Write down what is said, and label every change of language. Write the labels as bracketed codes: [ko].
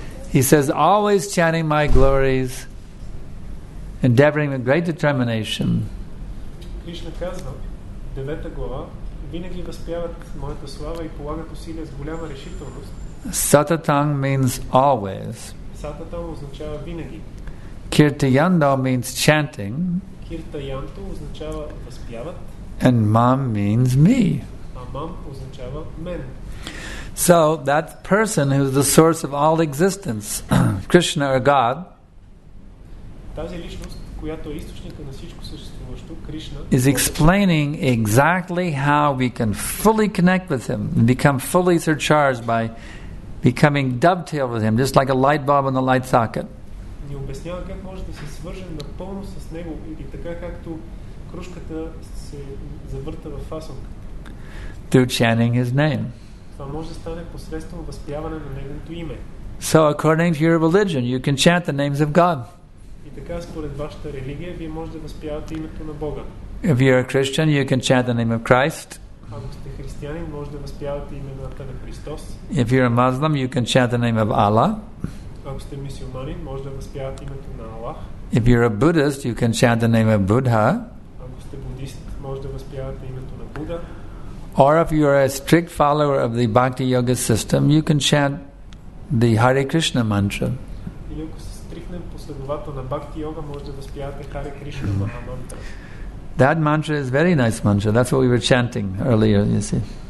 [en] He says, always chanting my glories, endeavoring with great determination. [bg] Krishna казва, девета глава, винаги възпяват моята слава и полагат усилия с голяма решителност. [en] Satatam means always. [bg] Satatam означава винаги. [en] Kirtayanto means chanting. [bg] Kirtayanto означава възпяват. [en] And mom means me. [bg] Mom означава мен. [en] So that person who is the source of all existence, Krishna or God, [bg] тази личност, която е източникът на всичко съществуващо, Кришна, [en] is explaining exactly how we can fully connect with Him and become fully surcharged by becoming dovetailed with Him, just like a light bulb in the light socket. [bg] Ни обяснява как може да се свържем напълно с Него или така както кружката се завърта във фасонка. [en] Through chanting His name. [bg] Това може да стане посредством възпяване на Неговото име. [en] So according to your religion, you can chant the names of God. [bg] И така според вашата религия, вие може да възпявате името на Бога. [en] If you're a Christian, you can chant the name of Christ. [bg] Ако сте християни, може да възпявате имената на Христос. [en] If you're a Muslim, you can chant the name of Allah. [bg] Ако сте мюсюлманин, може да възпявате името на Аллах. [en] If you're a Buddhist, you can chant the name of Buddha. [bg] Ако сте будист, може да възпявате името на Буда. [en] Or if you are a strict follower of the Bhakti Yoga system, you can chant the Hare Krishna mantra. [bg] Или ако сте стриктен последовател на Бхакти Йога, може да възпявате Hare Krishna mantra. [en] That mantra is very nice mantra. That's what we were chanting earlier, you see.